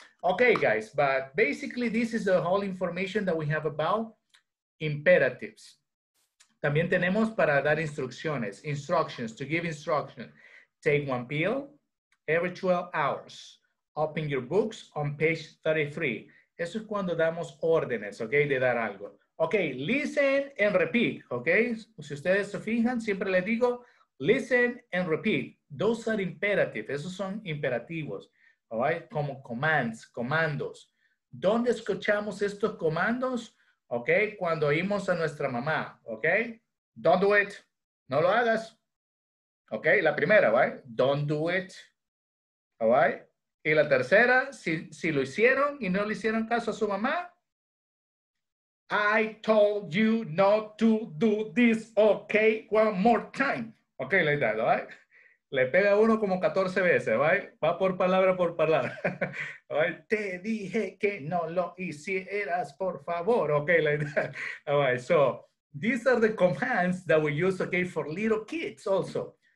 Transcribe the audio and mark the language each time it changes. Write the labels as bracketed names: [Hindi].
[English] Okay, guys, but basically this is the whole information that we have about imperatives. [Spanish] También tenemos para dar instrucciones, [English] instructions, to give instructions. Take one pill every 12 hours. Open your books on page 33. [Spanish] Eso es cuando damos órdenes, okay, de dar algo. [English] Okay, listen and repeat, okay? [Spanish] Si ustedes se fijan, siempre les digo, [English] listen and repeat. Those are imperatives, [Spanish] esos son imperativos, [English] all right? [Spanish] Como commands, comandos. ¿Dónde escuchamos estos comandos? Okay, cuando oímos a nuestra mamá, okay? [English] Don't do it, [Spanish] no lo hagas. [English] Okay, [Spanish] la primera, [English] right? Don't do it, all right? [Spanish] Y la tercera, si lo hicieron y no le hicieron caso a su mamá, [English] I told you not to do this, [Spanish] okay? [English] One more time. Okay, like that, right? [Spanish] Le pega uno como 14 veces, [English] right? [Spanish] Va por palabra, right? Te dije que no lo hicieras, por favor. [English] Okay, like that, all right? So these are the commands that we use, okay, for little kids also.